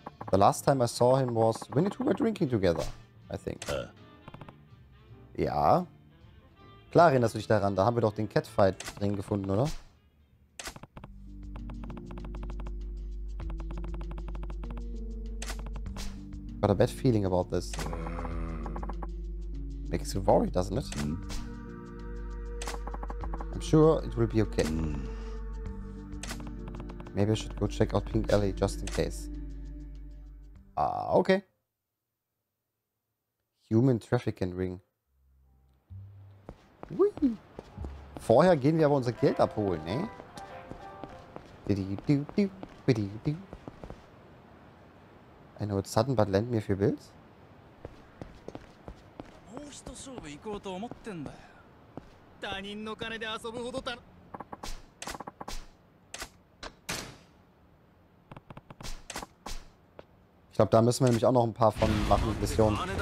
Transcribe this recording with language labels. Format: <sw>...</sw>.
<en>The last time I saw him was when we were drinking together. I think. Ja.</en> <de>Klar erinnerst du dich daran. Da haben wir doch den Catfight-Ring gefunden, oder?</de> <en>Got a bad feeling about this. Makes you worry, doesn't it? I'm sure it will be okay. Maybe I should go check out Pink Alley just in case. Ah, okay. Human Trafficking Ring. Whee.</en> <de>Vorher gehen wir aber unser Geld abholen, ne?</de> <en>I know it's sudden, but lend me if you will.</en> <de>Ich glaube, da müssen wir nämlich auch noch ein paar von machen, Missionen.</de>